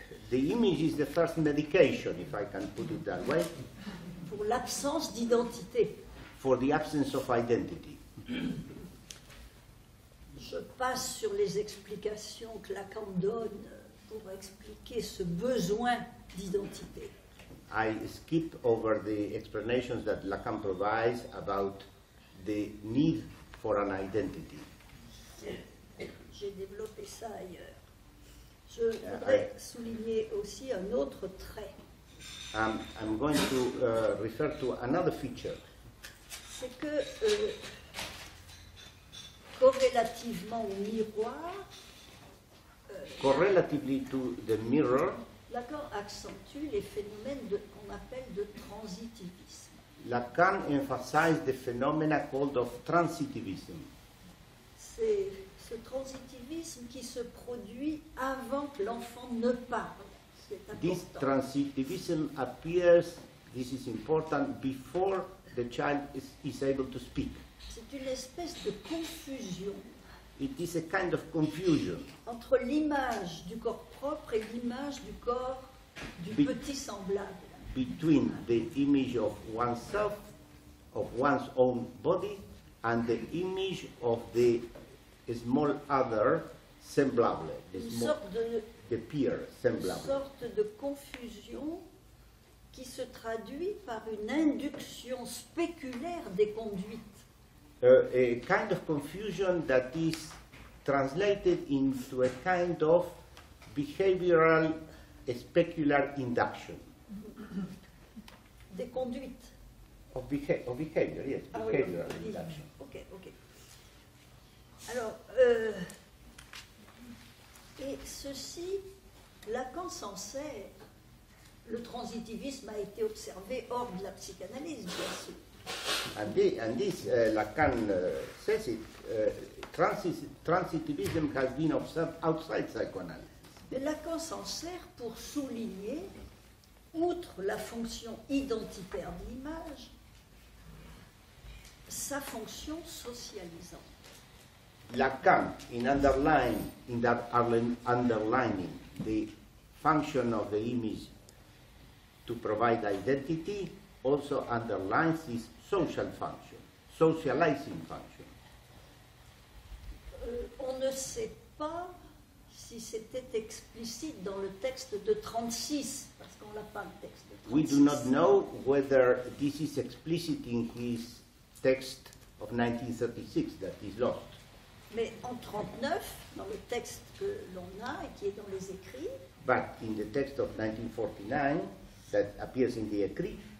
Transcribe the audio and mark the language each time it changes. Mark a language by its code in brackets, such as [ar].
[en] The image is the first medication, if I can put it that way. [fr] Pour l'absence d'identité. [en] For the absence of identity. [fr] Je passe sur les explications que Lacan donne pour expliquer ce besoin d'identité. [en] I skip over the explanations that Lacan provides about the need for an identity. [fr] J'ai développé ça ailleurs. Je voudrais souligner aussi un autre trait. [en] I'm going to refer to another feature. [fr] C'est que, corrélativement au miroir, [en] correlatively to the mirror, [fr] Lacan accentue les phénomènes qu'on appelle de transitivisme. [en] Lacan emphasize the phenomena called of transitivism. [fr] C'est ce transitivisme qui se produit avant que l'enfant ne parle. [en] This transitivism appears, this is important, before the child is able to speak. [fr] C'est une espèce de confusion. [en] It is a kind of confusion. [fr] Entre l'image du corps propre et l'image du corps du petit semblable. [en] Between the image of oneself, of one's own body, and the image of the small other, semblable, the peer, semblable. [fr] Une sorte de confusion qui se traduit par une induction spéculaire des conduites. [en] A kind of confusion that is translated into a kind of behavioral, a specular induction. [fr] Des conduites. [en] Of behavior, yes, behavioral induction. [fr] Alors, et ceci, Lacan s'en sert. Le transitivisme a été observé hors de la psychanalyse, bien sûr. [en] Lacan says it. Transitivism has been observed outside psychoanalysis. [fr] Mais Lacan s'en sert pour souligner, outre la fonction identitaire de l'image, sa fonction socialisante. [en] Lacan, underlining the function of the image to provide identity, also underlines this social function, socializing function. [fr] On ne sait pas si c'était explicite dans le texte de 36, parce qu'on n'a pas le texte de 36. [en] We do not know whether this is explicit in his text of 1936 that is lost. [fr] Mais en 39, dans le texte que l'on a et qui est dans les écrits, [en] but in the text of 1949, that appears in the écrit,